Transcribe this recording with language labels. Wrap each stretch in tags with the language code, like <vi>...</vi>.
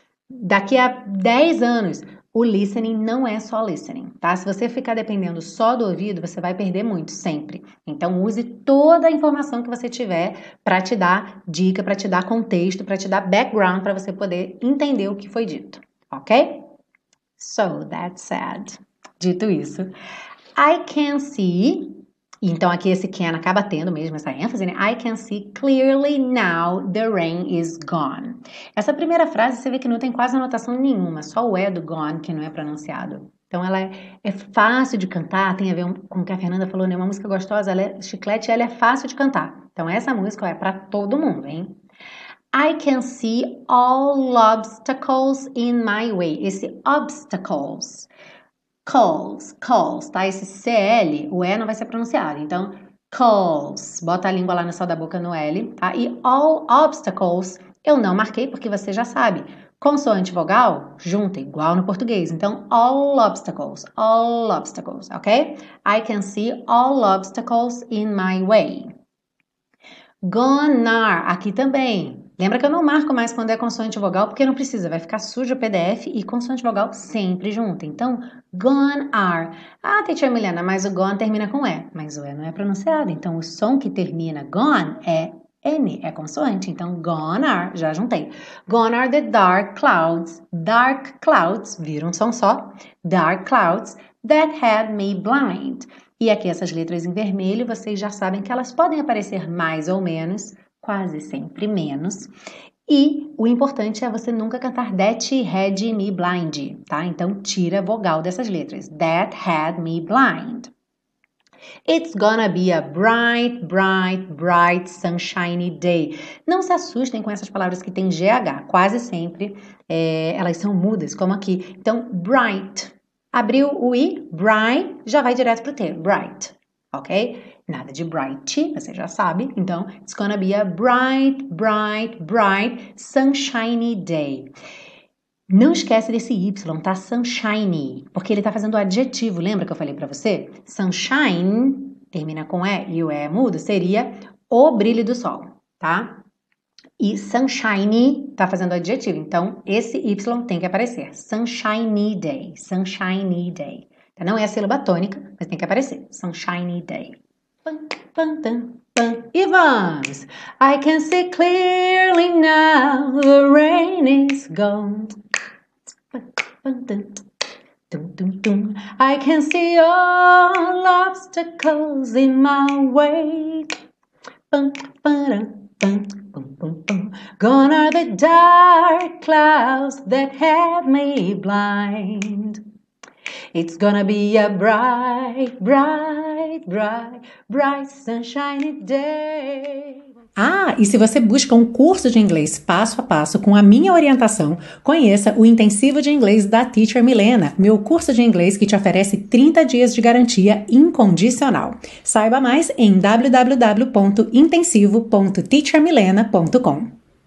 <pt>Daqui a 10 anos, o listening não é só listening, tá? Se você ficar dependendo só do ouvido, você vai perder muito, sempre. Então, use toda a informação que você tiver para te dar dica, para te dar contexto, para te dar background, para você poder entender o que foi dito, ok?</pt> <en>So, that said,</en> <pt>dito isso,</pt> <en>I can see.</en> <pt>Então, aqui esse can acaba tendo mesmo essa ênfase, né?</pt> <en>I can see clearly now the rain is gone.</en> <pt>Essa primeira frase você vê que não tem quase anotação nenhuma, só o E do gone que não é pronunciado. Então, ela é fácil de cantar, tem a ver com o que a Fernanda falou, né? Uma música gostosa, ela é chiclete e ela é fácil de cantar. Então, essa música é para todo mundo, hein?</pt> <en>I can see all obstacles in my way.</en> <pt>Esse obstacles. Calls, calls, tá? Esse CL, o E não vai ser pronunciado. Então, calls, bota a língua lá no céu da boca no L, tá? E all obstacles, eu não marquei porque você já sabe. Consoante vogal, junta, igual no português. Então, all obstacles, ok?</pt> <en>I can see all obstacles in my way.</en> <pt>Gonna, aqui também. Lembra que eu não marco mais quando é consoante vogal, porque não precisa, vai ficar sujo o PDF e consoante vogal sempre junto. Então, gone are. Ah, tia Milena, mas o gone termina com E, mas o E não é pronunciado. Então, o som que termina gone é N, é consoante. Então, gone are, já juntei.</pt> <en>Gone are the dark clouds. Dark clouds,</en> <pt>vira um som só.</pt> <en>Dark clouds that had me blind.</en> <pt>E aqui essas letras em vermelho, vocês já sabem que elas podem aparecer mais ou menos. Quase sempre menos. E o importante é você nunca cantar</pt> <en>That Had Me Blind,</en> <pt>tá? Então, tira a vogal dessas letras.</pt> <en>That Had Me Blind. It's gonna be a bright, bright, bright, sunshiny day.</en> <pt>Não se assustem com essas palavras que têm GH. Quase sempre elas são mudas, como aqui. Então, bright. Abriu o I, bright, já vai direto pro T, bright. Ok? Nada de bright, você já sabe.</pt> <en>Então, it's gonna be a bright, bright, bright, sunshiny day.</en> <pt>Não esquece desse Y, tá? Sunshiny. Porque ele tá fazendo o adjetivo, lembra que eu falei pra você? Sunshine, termina com E e o E é mudo, seria o brilho do sol, tá? E sunshiny tá fazendo o adjetivo. Então, esse Y tem que aparecer.</pt> <en>Sunshiny day, sunshiny day.</en> <pt>Não é a sílaba tônica, mas tem que aparecer.</pt> <en>Sunshiny day. Bye. Pan, pan, pan. E vamos. I can see clearly now the rain is gone. Pan, pan, dun, dun, dun. I can see all obstacles in my way. Pan, pan, pan, pan. Gone are the dark clouds that have me blind. It's gonna be a bright, bright, bright, bright sunshiny day.</en> <pt>Ah, e se você busca um curso de inglês passo a passo com a minha orientação, conheça o Intensivo de Inglês da Teacher Milena, meu curso de inglês que te oferece 30 dias de garantia incondicional. Saiba mais em www.intensivo.teachermilena.com.</pt>